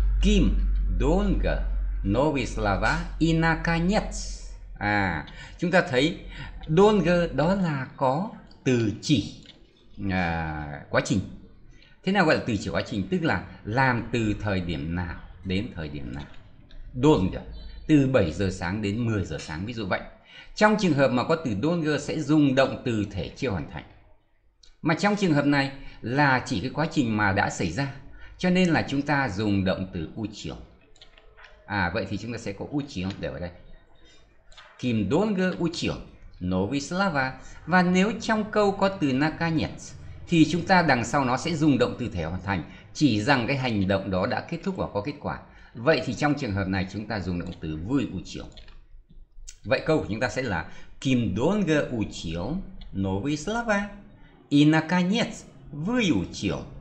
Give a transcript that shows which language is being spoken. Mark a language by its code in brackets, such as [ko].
[ru] Kim долго новый слова и наконец. [vi] Chúng ta thấy долго đó là có từ chỉ quá trình. Thế nào gọi là từ chỉ quá trình? Tức là làm từ thời điểm nào đến thời điểm nào. Долго, từ 7 giờ sáng đến 10 giờ sáng, ví dụ vậy. Trong trường hợp mà có từ долго sẽ dùng động từ thể chưa hoàn thành. Mà trong trường hợp này là chỉ cái quá trình mà đã xảy ra, cho nên là chúng ta dùng động từ учил. Vậy thì chúng ta sẽ có учил để ở đây. [ru] Kim долго учил новые слова. [vi] Và nếu trong câu có từ наконец thì chúng ta đằng sau nó sẽ dùng động từ thể hoàn thành, chỉ rằng cái hành động đó đã kết thúc và có kết quả. Vậy thì trong trường hợp này chúng ta dùng động từ vui учил. Vậy câu của chúng ta sẽ là [ru] Kim долго учил новые слова и наконец вы учил.